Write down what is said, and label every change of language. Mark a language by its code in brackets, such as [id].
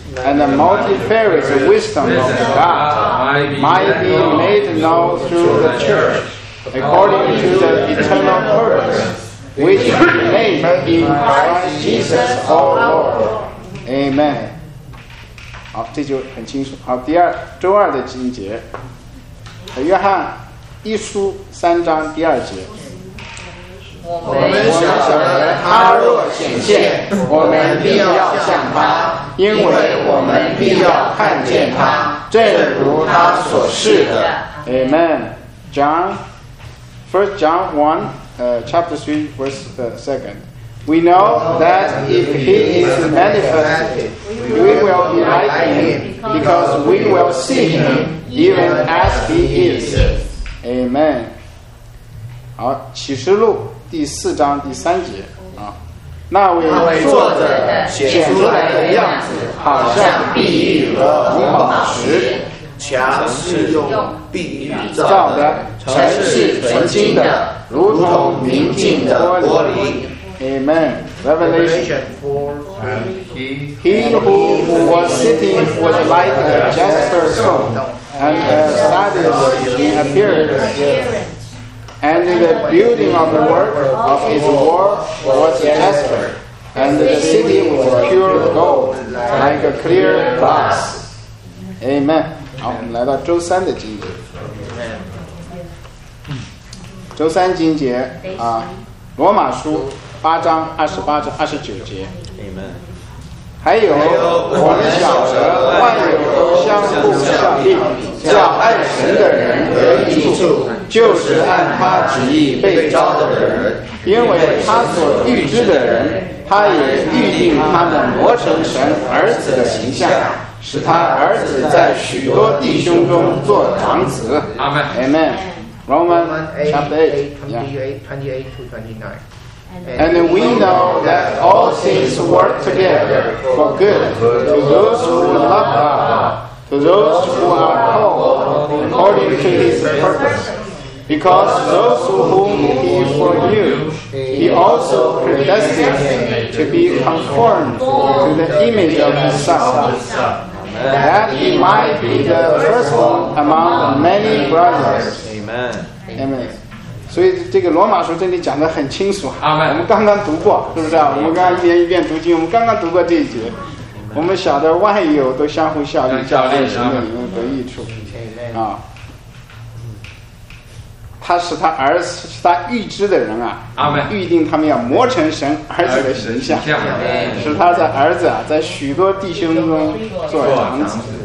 [en] And the multifarious wisdom of God might be made known through the church according to the eternal purpose which he made in Christ Jesus our Lord. [zh] Amen. 好，这就很清楚。好，第二周二的经节，约翰一书三章第二节，我们晓得他若显现我们必要向他，因为我们必要看见他，正如他所示的。 [en] Amen. John 1 John 1 chapter 3 verse 2nd, we know that if he is manifested we will be like him, because we will see him even as he is. Amen. [zh] 好，启示录第四章第三节啊，那位坐着显出来的样子好像碧玉和红宝石，墙是用碧玉造的，城是纯金的，如同明镜的玻璃。 [en] Amen. Revelation 4 and he who was sitting was like a jasper stone and a sardius in appearance. And the building of the work of his work was jasper, and the city was pure gold, like a clear glass. [zh] Amen. 好，我们来到周三的经节。周三经节啊，罗马书八章二十八至二十九节。还有我们晓得万有都相互效力，叫爱神的人得益处，就是按他旨意被招的人，因为他所预知的人，他也预定他们磨成神儿子的形象，使他儿子在许多弟兄中做长子。阿们。 [en] 阿们。Romans chapter 8:28-29. And we know that all things work together for good to those who love God, to those who are called according to His purpose. Because those whom He foreknew, He also predestined to be conformed to the image of His Son, that He might be the firstborn among many brothers. Amen. [zh] 所以这个罗马书这里讲得很清楚，我们刚刚读过，是不是？我们刚刚一遍一遍读经，我们刚刚读过这一节。我们晓得万有都相互效力，叫爱神的人得益处。啊，他使他儿子，使他预知的人啊，预定他们要磨成神儿子的形象，使他的儿子啊，在许多弟兄中做长子。